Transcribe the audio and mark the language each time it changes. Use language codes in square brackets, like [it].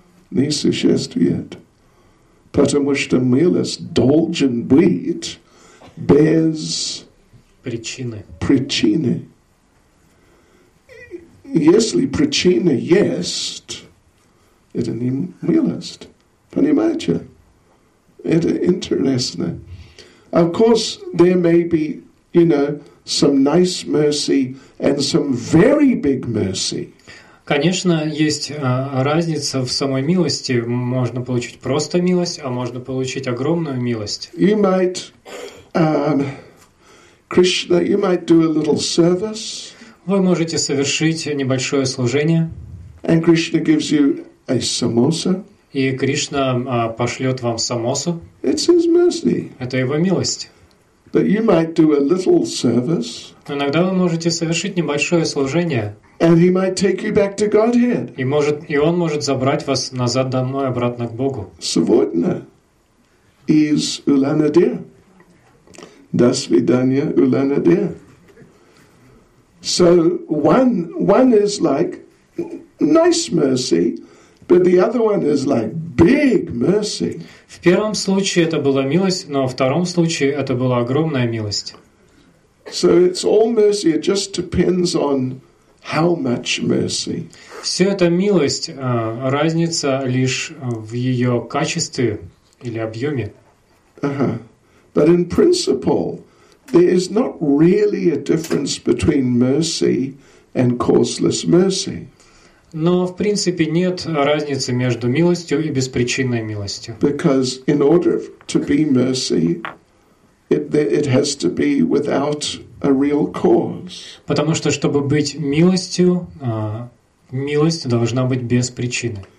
[ru] Не существует. Потому что милость должен быть без причины. Если причина есть, это не милость. Понимаете? Это интересно. [en] Of course, there may be, you know, some nice mercy and some very big mercy. [ru] Конечно, есть разница в самой милости. Можно получить просто милость, а можно получить огромную милость. [en] You might, Krishna, you might do a little service. [ru] Вы можете совершить небольшое служение. [en] And Krishna gives you a samosa. [ru] И Кришна пошлёт вам самосу. [en] It's his mercy. [ru] Это его милость. [en] But you might do a little service. [ru] Иногда вы можете совершить небольшое служение. [en] And he might take you back to Godhead. [ru] И он может забрать вас назад домой, обратно к Богу. Сегодня из Улан-Удэ. До свидания, Улан-Удэ. [en] So one is like nice mercy, but the other one is like big mercy. [ru] В первом случае это была милость, но во втором случае это была огромная милость. [en] So it's all mercy. It just depends on how much mercy. [ru] Всё это милость, разница лишь в её качестве или объёме. [en] But in principle, there is not really a difference between mercy and causeless mercy. [ru] Но в принципе нет разницы между милостью и беспричинной милостью. [en] Because in order to be mercy, it has to be without a real cause. [ru] Потому что чтобы быть милостью, милость должна быть без причины.